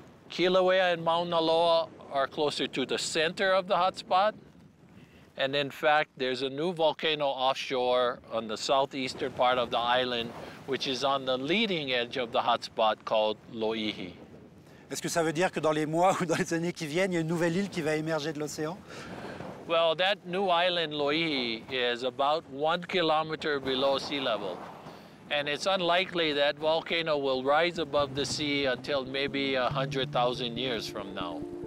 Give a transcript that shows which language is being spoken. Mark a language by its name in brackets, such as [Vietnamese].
[English] Kilauea and Mauna Loa are closer to the center of the hotspot. And in fact, there's a new volcano offshore on the southeastern part of the island, which is on the leading edge of the hotspot called Lo'ihi. [French] Est-ce que ça veut dire que dans les mois ou dans les années qui viennent, il y a une nouvelle île qui va émerger de l'océan? [English] Well, that new island, Lo'ihi, is about 1 kilometer below sea level. And it's unlikely that volcano will rise above the sea until maybe 100,000 years from now.